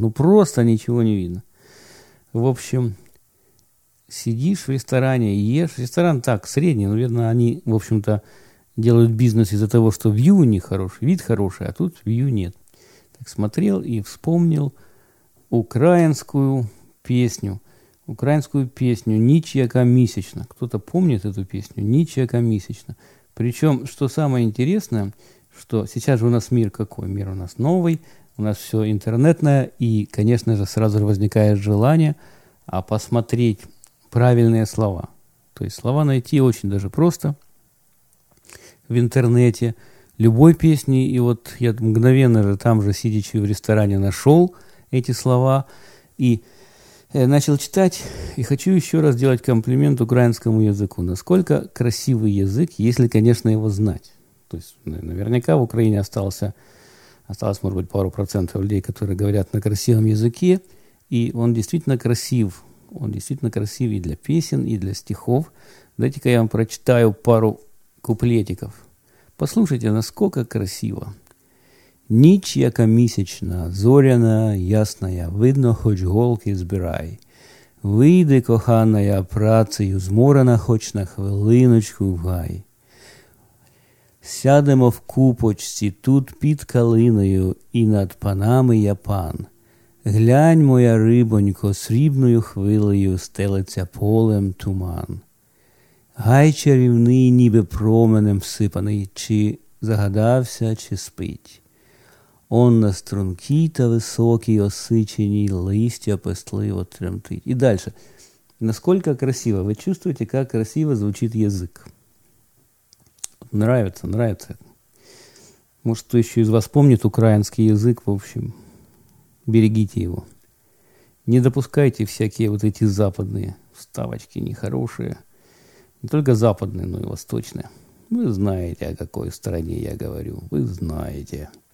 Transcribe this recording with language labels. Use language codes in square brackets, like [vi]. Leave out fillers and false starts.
[ru] Ну, просто ничего не видно. В общем... Сидишь в ресторане, ешь. Ресторан так, средний. Наверное, они, в общем-то, делают бизнес из-за того, что вью у них хороший, вид хороший, а тут вью нет. Так смотрел и вспомнил украинскую песню. Украинскую песню «Нічяка місячна». Кто-то помнит эту песню? «Нічяка місячна». Причем, что самое интересное, что сейчас же у нас мир какой? Мир у нас новый, у нас все интернетное. И, конечно же, сразу же возникает желание посмотреть... правильные слова. То есть слова найти очень даже просто в интернете любой песни. И вот я мгновенно же там же, сидячи в ресторане, нашел эти слова и начал читать. И хочу еще раз сделать комплимент украинскому языку. Насколько красивый язык, если, конечно, его знать. То есть наверняка в Украине осталось, может быть, пару процентов людей, которые говорят на красивом языке. И он действительно красив. Он действительно красивый и для песен, и для стихов. Дайте-ка я вам прочитаю пару куплетиков. Послушайте, насколько красиво. [uk] Ніч яка місячна, зоряна, ясная, видно, хоч голки збирай. Вийди, коханая, працею, зморена хоч на хвилиночку в гай. Сядемо в купочці тут під калиною, і над панами я пан. Глянь, моя рибонько, срібною хвилею стелиться полем туман. Гай чарівний, ніби променем всипаний, чи загадався, чи спить. Он на стрункій та високій осиченій листя пестливо тремтить. І далі. Наскільки красиво? Ви чуєте, як красиво звучить язик? [ru] Нравится, нравится. Может, кто еще из вас помнит украинский язык, в общем, берегите его. Не допускайте всякие вот эти западные вставочки нехорошие. Не только западные, но и восточные. Вы знаете, о какой стране я говорю. Вы знаете.